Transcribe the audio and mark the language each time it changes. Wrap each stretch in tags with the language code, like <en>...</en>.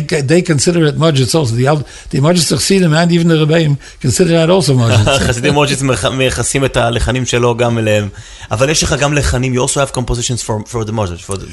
<en>They consider it מוז'יץ also. The מוז'יץ חסידים, and even the רבים, consider that also מוז'יץ.</en> <he>חסידים מוז'יץ מייחסים את הלחנים שלו גם אליהם. אבל יש לך גם לחנים,</he> <en>you also have compositions for the</en> <he>מוז'יץ.</he>